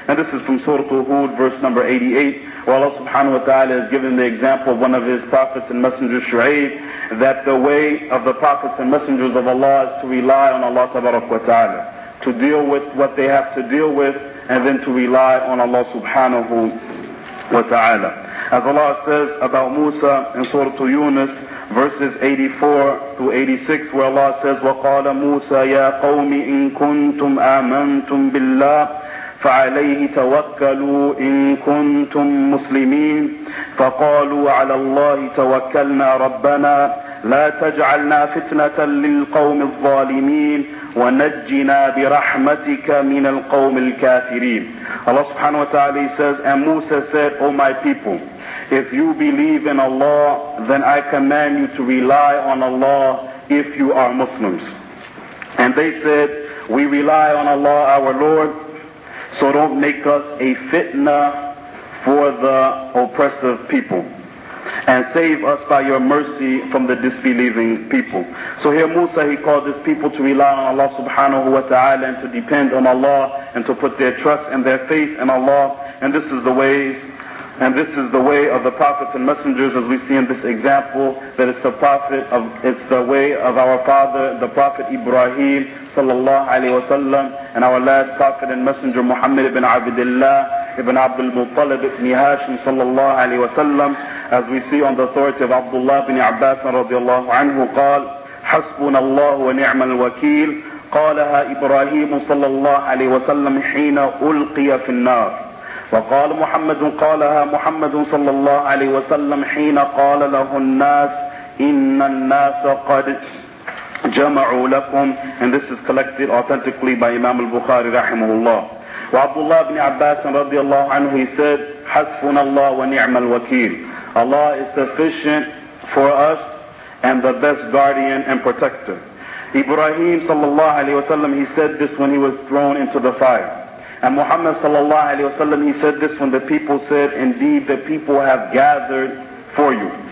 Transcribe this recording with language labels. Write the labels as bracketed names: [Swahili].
[English] And this is from Surah Al-Hud, verse number 88, where Allah subhanahu wa ta'ala has given the example of one of His prophets and messengers, Shu'ayb, that the way of the prophets and messengers of Allah is to rely on Allah tabarak wa ta'ala, to deal with what they have to deal with, and then to rely on Allah subhanahu wa ta'ala. As Allah says about Musa in Surah Yunus, verses 84-86, where Allah says, [Arabic] وَقَالَ مُوسَى يَا قَوْمِ إِن كُنْتُمْ آمَنْتُمْ بِاللَّهِ فَعَلَيْهِ تَوَكَّلُوا إِن كُنْتُمْ مُسْلِمِينَ فَقَالُوا عَلَى اللَّهِ تَوَكَّلْنَا رَبَّنَا لا تجعلنا فتنة للقوم الظالمين ونجنا برحمتك من القوم الكافرين. [English] Allah subhanahu wa ta'ala says, and Musa said, O my people, if you believe in Allah, then I command you to rely on Allah if you are Muslims. And they said, we rely on Allah our Lord, so don't make us a fitna for the oppressive people, and save us by your mercy from the disbelieving people. So here Musa, he called his people to rely on Allah subhanahu wa ta'ala, and to depend on Allah, and to put their trust and their faith in Allah. And this is the ways, and this is the way of the prophets and messengers, as we see in this example, that it's the way of our father, the prophet Ibrahim sallallahu alayhi wa sallam, and our last prophet and messenger Muhammad ibn Abdullah Ibn Abdul Muttalib ibn Hashim sallallahu alayhi wa sallam, as we see on the authority of Abdullah ibn Abbas radiallahu anhu, qal, [Arabic] حسبنا الله ونعم الوكيل قالها إبراهيم صلى الله عليه وسلم حين ألقي في النار وقال محمد قالها محمد صلى الله عليه وسلم حين قال له الناس إن الناس قد جمعوا لكم. [English] And this is collected authentically by Imam al-Bukhari [Arabic] رحمه الله. وعبدالله بن عباس رضي الله عنه, [English] he said, [Arabic] حسبنا الله ونعم الوكيل. [English] Allah is sufficient for us and the best guardian and protector. Ibrahim sallallahu alayhi wa sallam, he said this when he was thrown into the fire. And Muhammad sallallahu alayhi wa sallam, he said this when the people said, indeed the people have gathered for you.